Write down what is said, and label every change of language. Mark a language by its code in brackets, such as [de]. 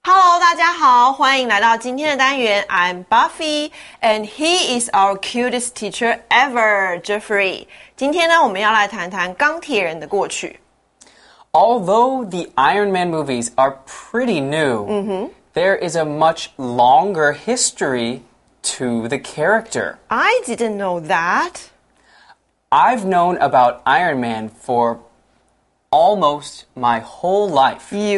[zh] 大家好，欢迎来到今天的单元。 [en] I'm Buffy, and he is our cutest teacher ever, Jeffrey。 [zh] 今天呢，我们要来谈谈钢铁人的过去。 [en] Although the Iron Man movies are pretty new, 嗯哼。 there is a much longer history to the character. I didn't know that. I've known about Iron Man for almost my whole life.